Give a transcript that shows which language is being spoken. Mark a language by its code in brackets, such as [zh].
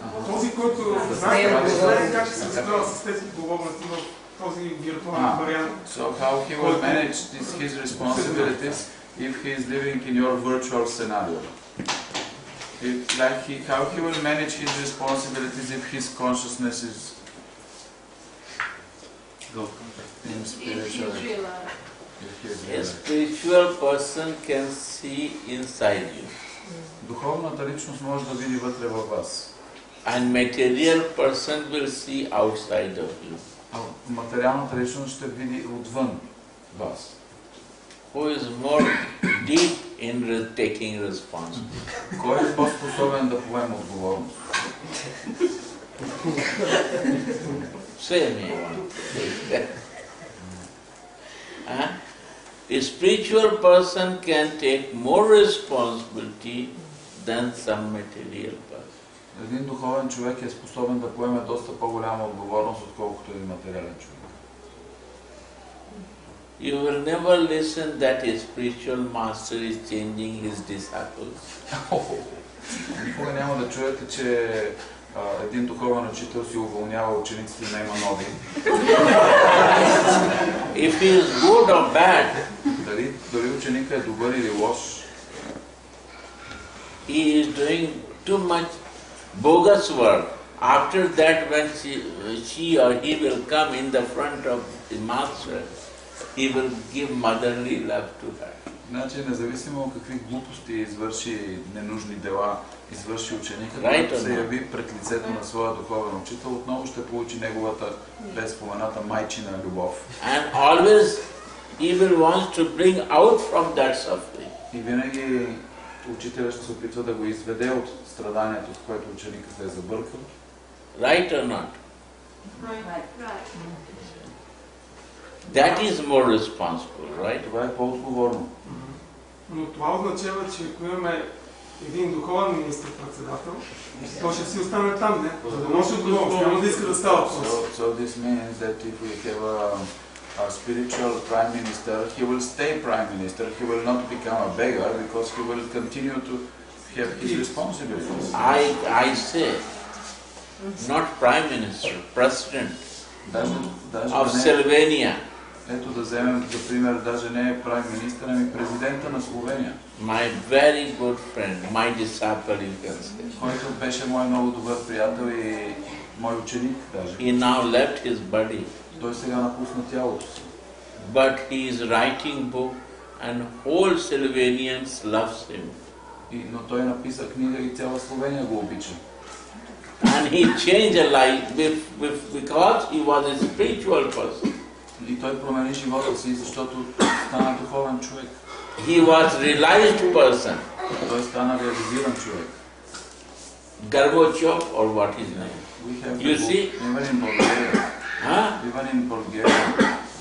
[bg] Този, който знае как се справя с тези отговорности в този виртуален вариант. [en] So how he will manage his responsibilities if he is living in your virtual scenario? How he will manage his responsibilities if his consciousness is in spiritual? A spiritual person can see inside you. [bg] Духовната личност може да види вътре в вас. [en] And material person will see outside of you. [bg] Материалната личност ще види отвън вас. [en] Who is more deep in taking responsibility? [bg] Кой е по-способен да поеме отговорност? [en] Say me one. A spiritual person can take more responsibility than some material person. [bg] Един духовен човек е способен да поеме доста по-голяма отговорност, отколкото един материален човек. [en] You will never listen that a spiritual master is changing his disciples. [bg] Никога няма да чуете, че един духовен учител си уволнява учениците и няма нови. [en] If he is good or bad, [bg] дали ученика е добър или лош, [en] he is doing too much bogus work. After that, when she or he will come in the front of the master, he will give motherly love to her. [bg] Значи, независимо какви глупости извърши, ненужни дела извърши ученика, [en] right, [bg] когато се яви пред лицето на своя духовен учител, отново ще получи неговата безпомената майчина любов. [en] And always he will want to bring out from that suffering. [bg] И винаги учителят ще се опитва да го изведе от страданието, с което ученика се е забъркал. [en] Right or not? Right. That is more responsible, right? [bg] Това е по-отговорно. Но това означава, че ако имаме един духовен министър-председател, то ще си остане там, не? За да носи отговорност, няма да иска да става въпрос. [en] So this means that if we have a spiritual prime minister, he will stay prime minister, he will not become a beggar, because he will continue to have his responsibilities. I say, not prime minister, president. [bg] Ето да вземем за пример, даже не е прайм министър, ами президента на Словения. [en] My very good friend, my disciple, you can say. [bg] Който беше мой много добър приятел и мой ученик даже. [en] He now left his body. [bg] Той сега напусна тялото си. [en] But he is writing book and whole Slovenians loves him. [bg] Но той написа книга и цяла Словения го обича. [en] And he changed a life because he was a spiritual person. [bg] И той промени живота си, защото стана духовен човек. [en] He was realized person. [bg] Той стана реализиран човек. [en] Горбачов or what his name? You see? Even in Bulgaria. Even in Bulgaria.